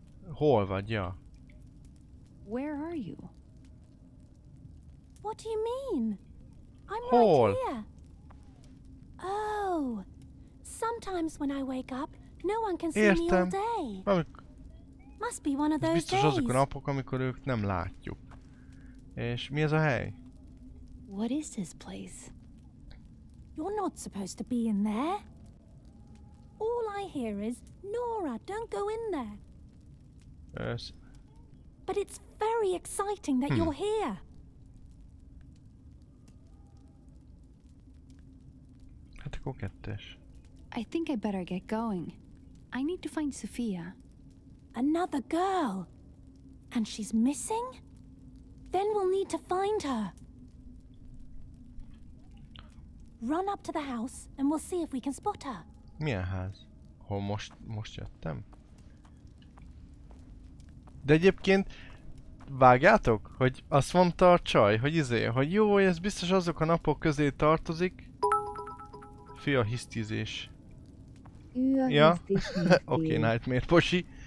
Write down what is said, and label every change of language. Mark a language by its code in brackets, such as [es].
[hu] Hol vagy, ja? [en] Where are you? What do you mean? I'm [hu] hol? [en] Right here. Oh. Sometimes when I wake up, no one can see [hu] Értem. [en] Me all day. Must be one of those [hu] biztos azok a napok, amikor ők nem látjuk. És mi ez a hely? [en] What is this place? You're not supposed to be in there. All I hear is, Nora, don't go in there. Yes. But it's very exciting that you're here. [hu] Hát akkor kettes. [en] I think I better get going. I need to find Sophia. Another girl. And she's missing? Then we'll need to find her. Run up to the house and we'll see if we can spot her. [hu] Milyen ház? Hol most jöttem? De egyébként vágjátok, hogy azt mondta a csaj, hogy izé, hogy jó, ez biztos azok a napok közé tartozik. Fi a hisztizés. Ja? Oké, Nightmare Posi.